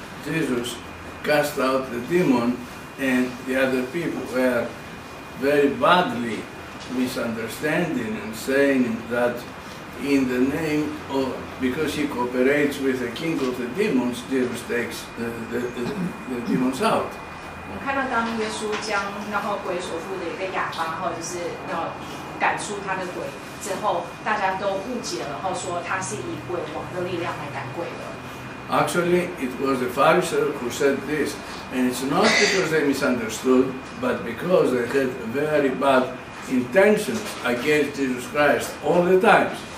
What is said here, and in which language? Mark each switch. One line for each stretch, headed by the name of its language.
English: Jesus cast out the demon, and the other people were very badly misunderstanding and saying that in the name of, because he cooperates with the king of the demons, Jesus takes the demons out.
Chinese: 我看到当耶稣将那个鬼所附的一个哑巴，或者是要赶出他的鬼之后，大家都误解了，说他是以鬼王的力量来赶鬼的。
English: Actually, it was the Pharisees who said this, and it's not because they misunderstood, but because they had very bad intentions against Jesus Christ all the time.